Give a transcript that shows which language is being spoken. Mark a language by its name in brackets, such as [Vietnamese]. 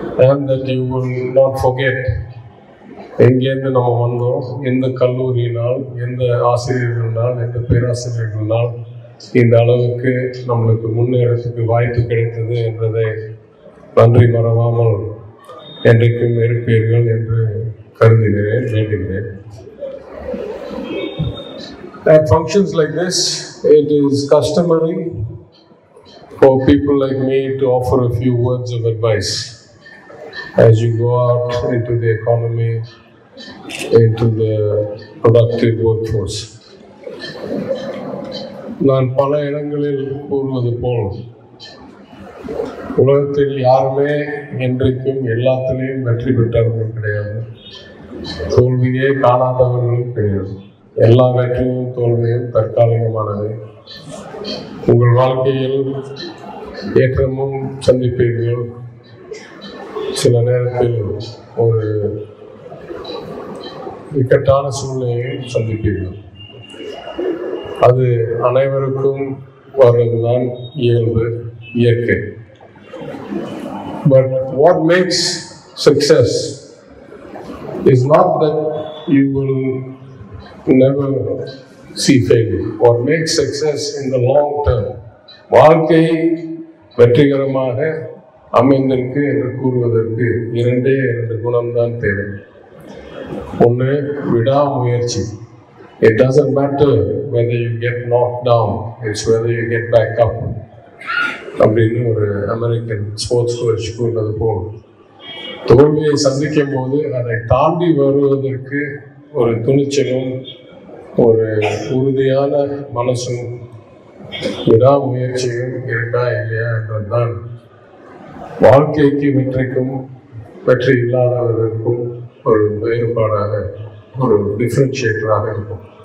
[English] and that you will not forget [Tamil] எங்கேருந்து நம்ம வந்தோம், எந்த கல்லூரியினால், எந்த ஆசிரியர்களால், எந்த பேராசிரியர்களால் இந்த அளவுக்கு நம்மளுக்கு முன்னேறதுக்கு வாய்ப்பு கிடைத்தது என்பதை நன்றி மறவாமல் என்றைக்கும் இருப்பீர்கள் என்று கருதுகிறேன், வேண்டுகிறேன். [English] At functions like this, it is customary for people like me to offer a few words of advice. As you go out into the economy, into the productive workforce. [Tamil] நான் பல இடங்களில் கூறுவது போல் உலகத்தில் யாருமே இன்றைக்கும் எல்லாத்திலையும் வெற்றி பெற்றவர்கள் கிடையாது, தோல்வியே காணாதவர்களும் கிடையாது. எல்லா வெற்றியும் தோல்வியும் தற்காலிகமானது. உங்கள் வாழ்க்கையில் ஏற்றமும் சந்திப்பீர்கள். சில நேரத்தில் ஒரு இக்கட்டான சூழ்நிலையை சந்திப்பீர்கள். அது அனைவருக்கும் வர்றதுதான் இயல்பு, இயற்கை. [English] But what makes success is not that you will never see failure. What makes success in the long term, [Tamil] வாழ்க்கை வெற்றிகரமாக அமைந்திருக்கு என்று கூறுவதற்கு இரண்டே இரண்டு குணம்தான் தேவை. ஒன்று, விடாமுயற்சி. [English] It doesn't matter whether you get knocked down, it's whether you get back up. [Tamil] அப்படின்னு ஒரு [English] American sports coach [Tamil] கூறினது போல், தோல்வியை சந்திக்கும் போது அதை தாண்டி வருவதற்கு ஒரு துணிச்சலும் ஒரு உறுதியான மனசும் விடாமுயற்சியும் இருந்தா இல்லையா என்றால்தான் வாழ்க்கைக்கு வெற்றிக்கும் வெற்றி இல்லாதவர்களுக்கும் ஒரு வேறுபாடாக, ஒரு டிஃப்ரென்ஷியேட்டராக இருக்கும்.